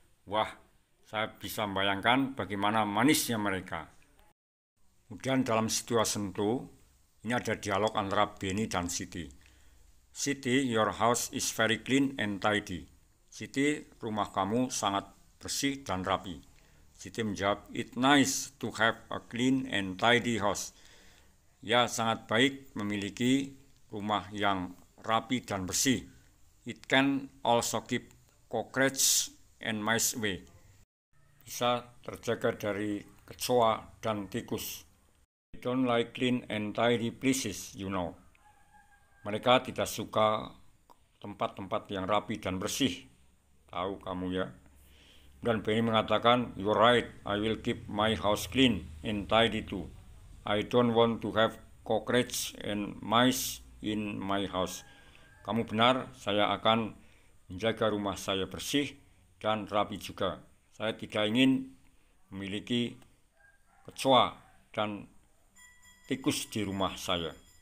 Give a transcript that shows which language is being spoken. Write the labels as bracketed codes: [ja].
[id] Wah, saya bisa membayangkan bagaimana manisnya mereka. Kemudian dalam situasi itu, ini ada dialog antara Benny dan Siti. [en] Siti, your house is very clean and tidy. [id] Siti, rumah kamu sangat bersih dan rapi. Siti menjawab, [en] it's nice to have a clean and tidy house. [id] Ya, sangat baik memiliki rumah yang rapi dan bersih. [en] It can also keep cockroach and mice away. [id] Bisa terjaga dari kecoa dan tikus. [en] They don't like clean and tidy places, you know. [id] Mereka tidak suka tempat-tempat yang rapi dan bersih. Tahu kamu ya. Dan Benny mengatakan, [en] you're right, I will keep my house clean and tidy too. I don't want to have cockroaches and mice in my house. [id] Kamu benar, saya akan menjaga rumah saya bersih dan rapi juga. Saya tidak ingin memiliki kecoa dan tikus di rumah saya.